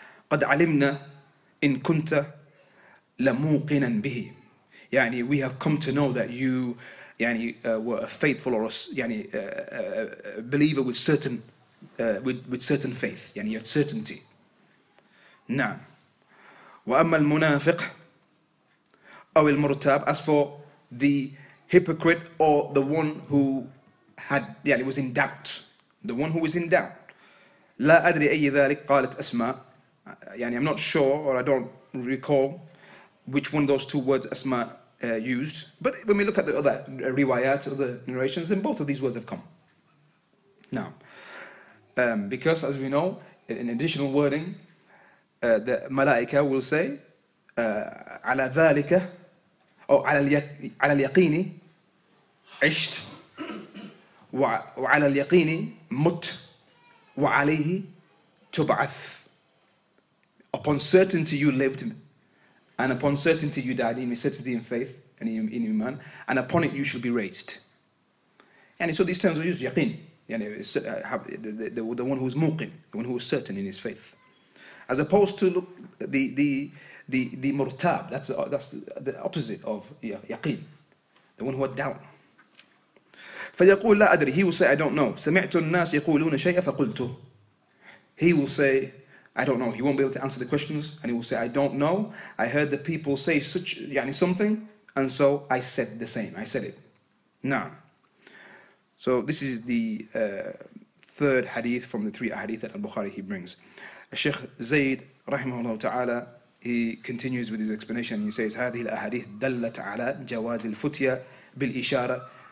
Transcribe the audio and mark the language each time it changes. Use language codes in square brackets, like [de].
[ar] قد علمنا إن كنت لموقنا به. [en] يعني we have come to know that you يعني were a faithful or a, يعني a believer with certain with certain faith. يعني you had certainty. نعم. [ar] وأما المنافق أو المرتاب. [en] As for the hypocrite or the one who had was in doubt, the one who was in doubt. [ar] لا أدري أي ذلك قالت أسماء. [en] يعني I'm not sure or I don't recall which one of those two words أسماء used. But when we look at the other riwayat, other narrations, then both of these words have come. Now, because as we know, in additional wording, the malaika will say [ar] على ذلك أو على اليقين عشت وعلى اليقين مت وعليه تبعث. [en] Upon certainty you lived, and upon certainty you died, in certainty in faith and in iman, and upon it you shall be raised. And so these terms were used, yaqin, the one who is muqin, the one who is certain in his faith, as opposed to look the murtab. That's the opposite of yaqin, the one who had doubt. [ar] فيقول لا أدري. [en] He will say, I don't know. [ar] سمعت الناس يقولون شيء فقلت. [en] He will say, I don't know. He won't be able to answer the questions, and he will say, I don't know. I heard the people say such, something, and so I said the same. I said it. Now, so this is the third hadith from the three hadith that Al-Bukhari he brings. Sheikh Zayd, rahimahullah ta'ala, he continues with his explanation. He says, [ar] هذه الأحاديث دلت على جواز الفتية بالإشارة.